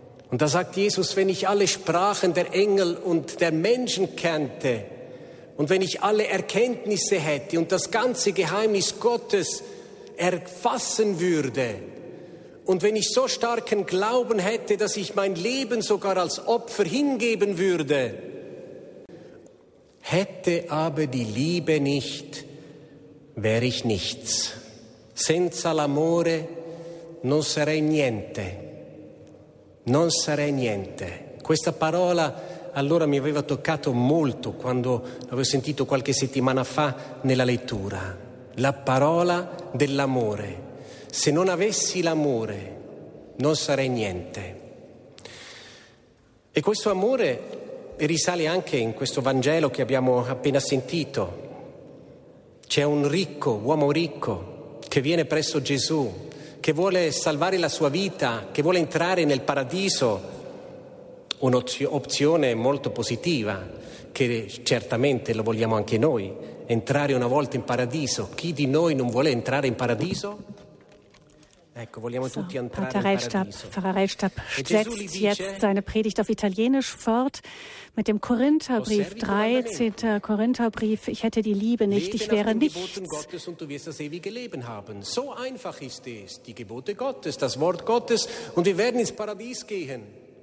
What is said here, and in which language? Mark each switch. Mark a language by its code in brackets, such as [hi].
[de] Und da sagt Jesus, wenn ich alle Sprachen der Engel und der Menschen kennte und wenn ich alle Erkenntnisse hätte und das ganze Geheimnis Gottes erfassen würde und wenn ich so starken Glauben hätte, dass ich mein Leben sogar als Opfer hingeben würde, hätte aber die Liebe nicht, wäre ich nichts. [it] Senza l'amore non sarei niente. Non sarei niente. Questa parola allora mi aveva toccato molto quando l'avevo sentito qualche settimana fa nella lettura. La parola dell'amore. Se non avessi l'amore, non sarei niente. E questo amore risale anche in questo Vangelo che abbiamo appena sentito. C'è un ricco, uomo ricco, che viene presso Gesù, che vuole salvare la sua vita, che vuole entrare nel paradiso, un'opzione molto positiva, che certamente lo vogliamo anche noi, entrare una volta in paradiso. Chi di noi non vuole entrare in paradiso? Ecco, vogliamo tutti entrare in paradiso. [de] Pfarrer Reifstab setzt jetzt seine Predigt auf Italienisch fort mit dem Korintherbrief, 13. Korintherbrief. Ich hätte die Liebe nicht, ich wäre nichts. Leben auf den Geboten Gottes und du wirst das ewige Leben haben. So einfach ist es, die Gebote Gottes, das Wort Gottes und wir werden ins Paradies gehen.